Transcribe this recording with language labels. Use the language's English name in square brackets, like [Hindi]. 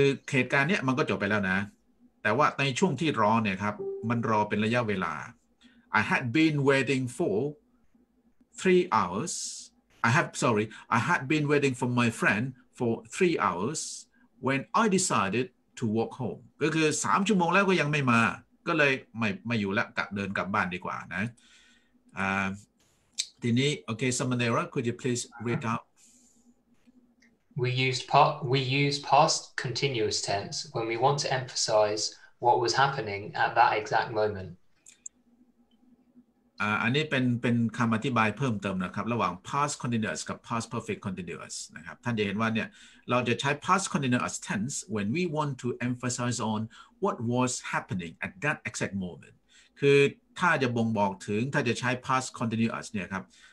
[Thai] เหตุการณ์เนี้ยมันก็จบไปแล้วนะแต่ว่าในช่วงที่รอเนี่ยครับมันรอเป็นระยะเวลา [English] I had been waiting for 3 hours I had been waiting for my friend for 3 hours when I decided to walk home [Thai] ก็คือ3ชั่วโมงแล้วก็ยังไม่มาก็เลยไม่อยู่แล้วกลับเดินกลับบ้านดีกว่านะทีนี้โอเค [English] Samanera could you please read out we use past continuous tense when we want to emphasize what was happening at that exact moment [Thai] อันนี้เป็นคำอธิบายเพิ่มเติมนะครับระหว่าง past continuous กับ past perfect continuous นะครับท่านจะเห็นว่าเนี่ยเราจะใช้ past continuous tense [English] when we want to emphasize on what was happening at that exact moment [Thai] คือถ้าจะบ่งบอกถึงถ้าจะใช้ past continuous เนี่ยครับ